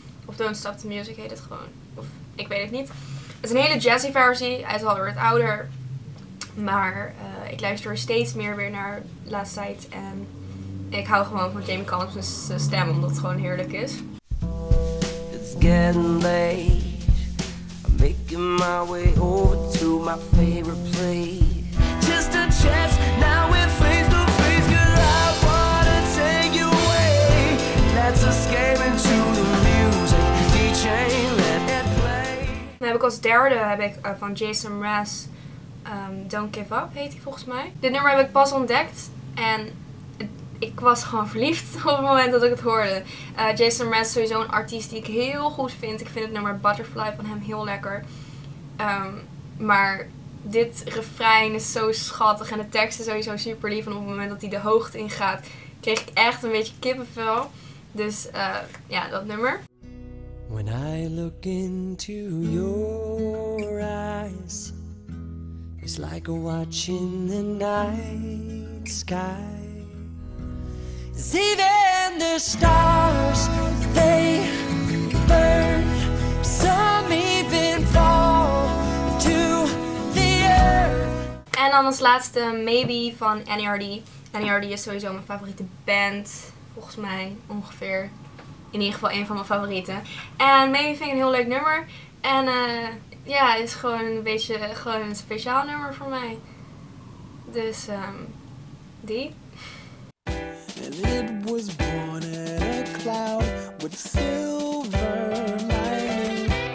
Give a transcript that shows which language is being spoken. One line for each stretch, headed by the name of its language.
Dutch: Of Don't Stop the Music heet het gewoon. Of ik weet het niet. Het is een hele jazzy versie, hij is alweer wat ouder. Maar ik luister er steeds meer weer naar de laatste tijd. En ik hou gewoon van Jamie Cullum's stem, omdat het gewoon heerlijk is.
English: It's getting late. I'm making my way over to my favorite place. Just a chance, now we're face to face. Girl, I wanna take you away. Let's escape into the music. DJ, let it play.
Dutch: Dan heb ik als derde van Jason Mraz. Don't Give Up heet hij volgens mij. Dit nummer heb ik pas ontdekt. En ik was gewoon verliefd op het moment dat ik het hoorde. Jason Mraz is sowieso een artiest die ik heel goed vind. Ik vind het nummer Butterfly van hem heel lekker. Maar dit refrein is zo schattig. En de tekst is sowieso super lief. En op het moment dat hij de hoogte ingaat, kreeg ik echt een beetje kippenvel. Dus ja, dat nummer.
English: When I look into your eyes, it's like a watch in the night sky. Even the stars, they burn. Some even fall to the earth.
Dutch: En dan als laatste Maybe van NERD. NERD is sowieso mijn favoriete band, volgens mij ongeveer. In ieder geval een van mijn favorieten. En Maybe vind ik een heel leuk nummer. En ja, het is gewoon een beetje gewoon een speciaal nummer voor mij. Dus die.
English: And it was born in a cloud with silver lining.